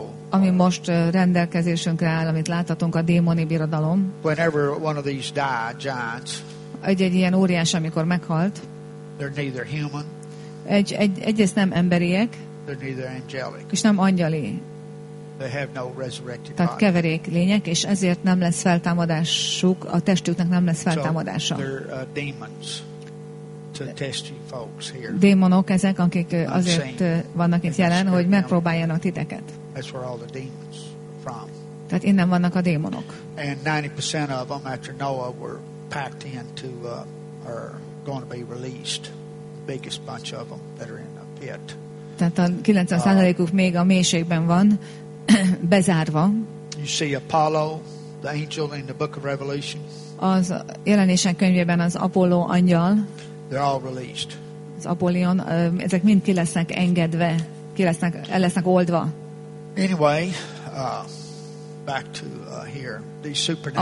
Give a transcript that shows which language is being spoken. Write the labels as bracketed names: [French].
[Hungarian] Ami most rendelkezésünkre áll, amit láthatunk, a démoni birodalom. [English] Whenever one of these die, giants, [Hungarian] egy ilyen óriás, amikor meghalt, [English] they're neither human, [Hungarian] egyrészt nem emberiek, [English] they're neither angelic, [Hungarian] és nem angyali. [English] They have no resurrected [Hungarian] body. Tehát keverék lények, és ezért nem lesz feltámadásuk, a testüknek nem lesz feltámadása. [English] So they're demons. Folks here. [Hungarian] Démonok ezek, akik azért vannak itt jelen, hogy megpróbáljanak titeket. [English] That's where all the demons from. [Hungarian] Tehát innen vannak a démonok. [English] And 90% of them after Noah were packed into are going to be released. The biggest bunch of them that are in a pit. [Hungarian] Tehát a 90%-uk még a mélységben van. bezárva. [English] You see Apollo, the angel in the book of Revelation. [Hungarian] Az jelenések könyvében az Apolló angyal. [English] They're all released. [Hungarian] Az Apollón, ezek mind ki lesznek engedve, ki lesznek, el lesznek oldva. [English] Anyway, back to here, the supernatural